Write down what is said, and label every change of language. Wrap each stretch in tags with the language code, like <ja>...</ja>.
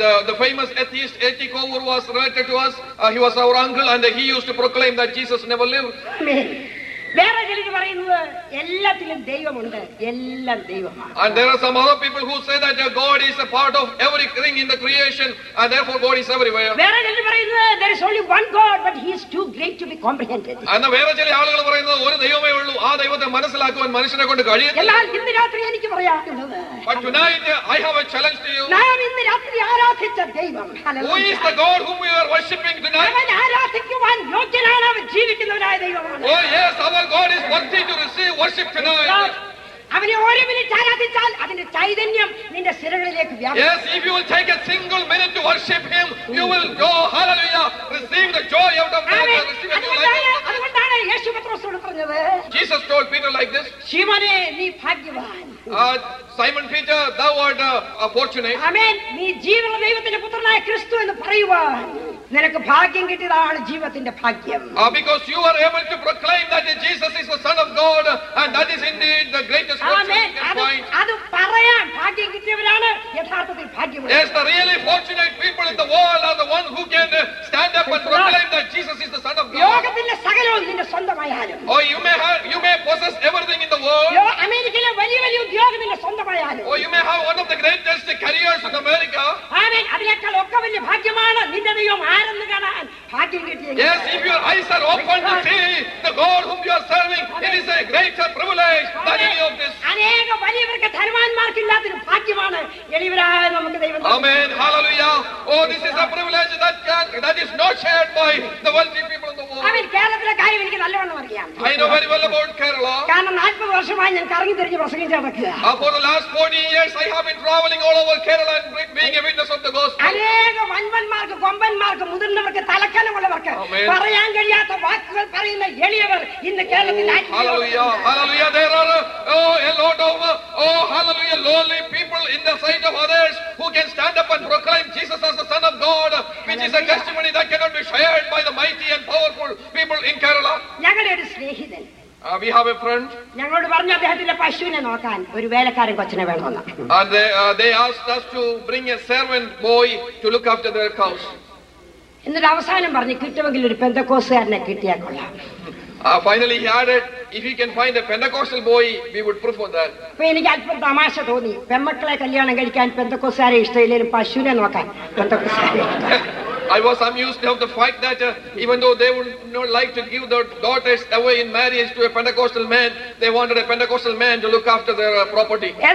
<en>The famous atheist A G Kovoor was related to us. He was our uncle and he used to proclaim that Jesus never lived.</en> <ml>വേറെ ചിലർ പറയുന്നത് എല്ലാത്തിലും ദൈവമുണ്ട്, എല്ലാം ദൈവമാണ്.</ml> <en>And there are some other people who say that God is a part of everything in the creation and therefore God is everywhere.</en> <ml>വേറെ ചിലർ പറയുന്നത്</ml> <en>there is only one God but he is too great to be comprehended.</en> <ml>അന്ന് വേറെ ചില ആളുകൾ പറയുന്നത് ഒരു ദൈവമേ ഉള്ളൂ, ആ ദൈവത്തെ മനസ്സിലാക്കുവാൻ മനുഷ്യനെ കൊണ്ട് കഴിയില്ല. എന്നാൽ ഇന്ന് രാത്രി എനിക്ക് പറയാനുള്ളത്</ml> <en>But tonight I have a challenge to you.</en> <ml>നാം ഇന്ന് രാത്രി ആരാധിച്ച ദൈവം,</ml> <en>who is the God whom we are worshiping tonight?</en> <ml>അവൻ ആരാധിക്കുവാൻ യോഗ്യനാണ്, അവൻ ജീവിക്കുന്നവനായ ദൈവമാണ്.</ml> <en>Oh yes, our God is worthy to receive worship tonight.</en> <ml>അവനെ ഒരു മിനിറ്റ് ആരാധിച്ചാൽ അതിന്റെ ചൈതന്യം നിന്റെ ശിരകളിലേക്ക് വ്യാപിക്കും.</ml> <en>Yes, if you will take a single minute to worship him you will go hallelujah receive the joy out of that.</en> <ml>അതുകൊണ്ടാണ് യേശു പത്രോസിനോട് പറഞ്ഞത്.</ml> <en>Jesus told Peter like this.</en> <ml>ശിമോനെ നീ ഭാഗ്യവാൻ.</ml> <en>Simon Peter thou art a fortunate.</en> <ml>ആമേൻ. നീ ജീവനുള്ള ദൈവത്തിന്റെ പുത്രനായ ക്രിസ്തു എന്ന് പറയുവാൻ നിനക്ക് ഭാഗ്യം കിട്ടിയതാണ് ജീവിതത്തിന്റെ ഭാഗ്യം.</ml> <en>Because you are able to proclaim that Jesus is the son of God and that is indeed the greatest</en> <ml>അത് പറയാൻ ഭാഗ്യം കിട്ടിയവരാണ് യഥാർത്ഥത്തിൽ ഭാഗ്യമുള്ളത്.</ml> <en>Yes, the really fortunate people in the world are the ones who can stand up and proclaim that Jesus is the son of God.</en> <ml>ലോകത്തിലെ സകലവും നിന്റെ സ്വന്തമായാലും.</ml> <en>Oh, you may possess everything in the world.</en> <ml>അമേരിക്കയിലെ വലിയ വലിയ ഉദ്യോഗം നിന്റെ സ്വന്തമായാലും.</ml> <en>Oh, you may have one of the greatest careers in America.</en> <ml>ആമേൻ. അതിനേക്കാൾ ഒക്കെ വലിയ ഭാഗ്യമാണ് നിന്റെ ദൈവം ആരെന്ന് കാണാൻ ഭാഗ്യം കിട്ടിയത്.</ml> <en>Yes, if your eyes are open to see the God whom you are serving, it is a greater privilege than any of this.</en> <ml>അനേക വലിയവർക്ക് ധനവാന്മാർക്കില്ലാത്തൊരു ഭാഗ്യമാണ് എളിയവരായ നമുക്ക് ദൈവം. ആമേൻ. Hallelujah.</ml> <en>Oh, this is a privilege that is not shared by the wealthy people in the world.</en> <ml>ആമേൻ. കേരളത്തിലെ കാര്യം എനിക്ക് നല്ലോണം അറിയാം.</ml> <en>I know very well about Kerala.</en> <ml>കാരണം 40 വർഷമായി ഞാൻ കറങ്ങി തിരിഞ്ഞ് പ്രസംഗിച്ച് നടക്കുകയാണ്.</ml> <en>അപ്പോൾ the last 40 years I have been travelling all over Kerala and being a witness of the gospel.</en> <ml>അനേക വൻവന്മാർക്ക് കൊമ്പന്മാർക്ക് മുതിർന്നവർക്ക് തലക്കനമുള്ളവർക്ക് പറയാൻ കഴിയാത്ത വാക്കുകൾ പറയുന്ന എളിയവർ ഇന്ന് കേരളത്തിൽ. Hallelujah. Hallelujah.</ml> <en>There are a lot of hallelujah lowly people in the sight of others who can stand up and proclaim Jesus as the son of God, which is a testimony that cannot be shared by the mighty and powerful people in Kerala.</en> <ml>ഞങ്ങളുടെ ഒരു സ്നേഹിതൻ.</ml> <en>We have a friend.</en> <ml>ഞങ്ങളോട് പറഞ്ഞു അദ്ദേഹത്തിന്റെ പശുവിനെ നോക്കാൻ ഒരു വേലക്കാരൻ കൊച്ചിനെ വേണമെന്ന്.</ml> <en>And they asked us to bring a servant boy to look after their cows.</en> <ml>എന്നിട്ട് അവസാനം പറഞ്ഞു കിട്ടുമെങ്കിൽ ഒരു പെന്തക്കോസ്തുകാരനെ കിട്ടിയാൽ കൊള്ളാം.</ml> <en>Finally he added, if you can find a Pentecostal boy, we would prefer that.</en> <ml>പിന്നെ ഞാൻ അൽപ്പം തമാശ തോന്നി, പെമ്മക്കളെ കല്യാണം കഴിക്കാൻ പെന്തക്കോസ്തുകാരെ ഇഷ്ടമില്ലെങ്കിലും പശുവിനെ നോക്കാൻ പെന്തക്കോസ്തുകാരെ.</ml> <en>I was amused of the fact that even though they would not like to give their daughters away in marriage to a Pentecostal man, they wanted a Pentecostal man to look after their property.</en>